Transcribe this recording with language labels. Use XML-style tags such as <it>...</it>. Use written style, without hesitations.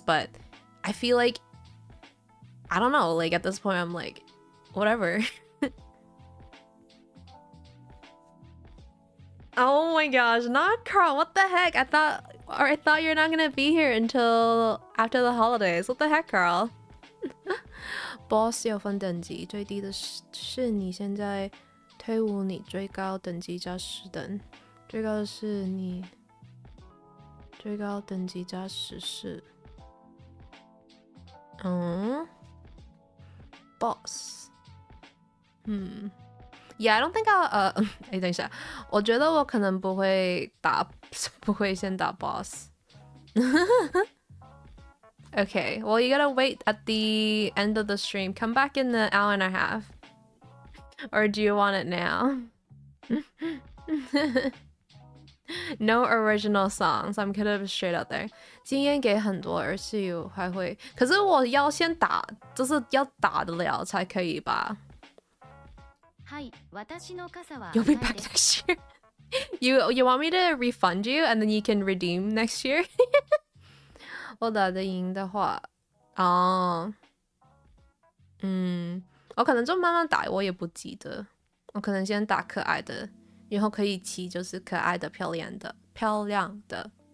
<en>But I feel like... I don't know, like at this point, I'm like, whatever. Oh my gosh, not Carl, what the heck? I thought you're not gonna be here until after the holidays. What the heck, Carl?</en> <zh>Boss 有分等级，最低的是你现在退伍，你最高等级加十等，最高的是你最高等级加十四。</zh> <en>Boss. Yeah, I don't think I'll,</en> <zh>哎，等一下，我觉得我可能不会先打 boss.</zh> <en>Okay, well, you gotta wait at the end of the stream. Come back in the hour and a half. Or do you want it now? No original songs. I'm kind of straight out there.</en> <zh>经验给很多，而且我还会，可是我要先打，就是要打得了才可以吧。</zh> <en>You'll be back next year. You want me to refund you and then you can redeem next year?</en> <zh>我打得赢的话，哦，我可能就慢慢打，我也不急的。我可能先打可爱的，然后可以骑就是可爱的、漂亮的、漂亮的。</zh>